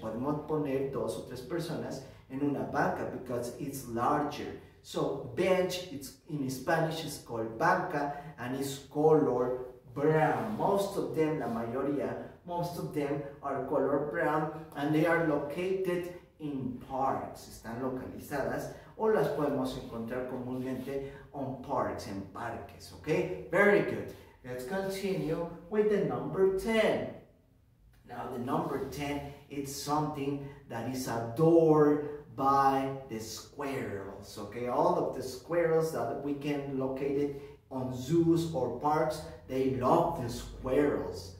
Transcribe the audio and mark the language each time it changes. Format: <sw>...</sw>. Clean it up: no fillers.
<es>Podemos poner dos o tres personas en una banca</es> <en>because it's larger. So bench, it's in Spanish, it's called banca and it's color brown. Most of them,</en> <es>la mayoría,</es> <en>most of them are color brown and they are located in parks.</en> <es>Están localizadas o las podemos encontrar comúnmente</es> <en>on parks,</en> <es>en parques, okay?</es> <en>Very good. Let's continue with the number 10. Now the number 10, it's something that is adored by the squirrels, okay? All of the squirrels that we can locate it on zoos or parks, they love the squirrels.</en>